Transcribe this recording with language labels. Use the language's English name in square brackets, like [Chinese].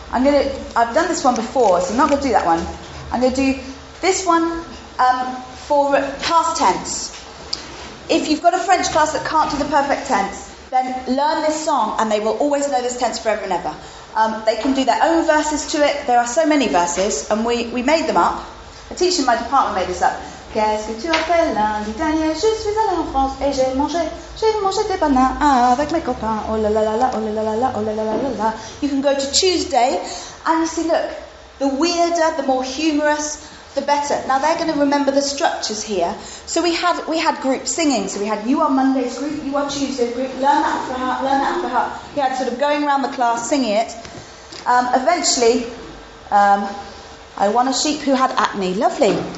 [English] I've done this one before, so I'm not going to do that one. I'm going to do this one for past tense. If you've got a French class that can't do the perfect tense... then learn this song and they will always know this tense forever and ever. They can do their own verses to it. There are so many verses and we made them up. A teacher in my department made this up. [French] Qu'est-ce que tu as fait lundi dernier? Je suis allée en France et j'ai mangé des bananes avec mes copains. Oh la la la, oh la la la, oh la la la la. [English] You can go to Tuesday and you see, look, the weirder, the more humorous, the better. Now they're going to remember the structures here. So we had group singing. So we had you on Monday's group, you on Tuesday's group. Learn that for heart. Yeah, sort of going around the class singing it. Eventually, I won a sheep who had acne. Lovely.